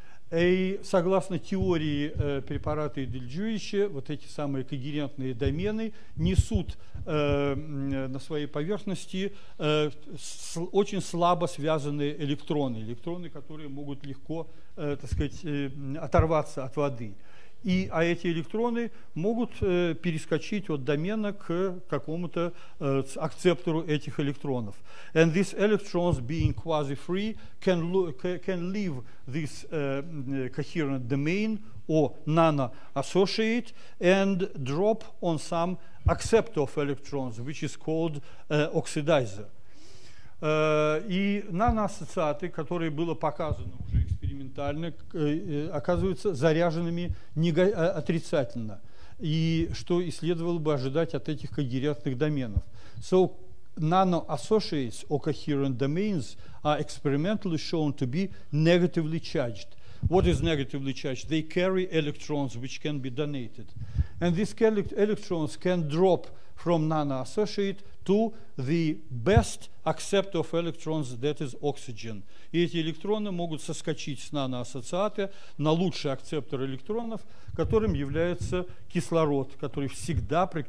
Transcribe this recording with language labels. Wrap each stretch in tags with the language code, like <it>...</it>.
<ru>И согласно теории препарата и Del Giudice, вот эти самые когерентные домены несут на своей поверхности очень слабо связанные электроны, электроны, которые могут легко, так сказать, оторваться от воды. И, а эти электроны могут перескочить от домена к какому-то акцептору этих электронов.</ru> <en>And these electrons, being quasi-free, can leave this coherent domain or nano-associate and drop on some acceptor of electrons, which is called oxidizer.</en> <ru>И наноассоциаты, которые было показано уже экспериментально, оказываются заряженными отрицательно, и что и следовало бы ожидать от этих когерентных доменов.</ru> <en>So nano-associates or coherent domains are experimentally shown to be negatively charged. What is negatively charged? They carry electrons which can be donated. And these electrons can drop from nano-associate to the best acceptor of electrons, that is oxygen.</en> <ru>И эти электроны могут соскочить с наноассоциата на лучший акцептор электронов, которым является кислород, который всегда...</ru>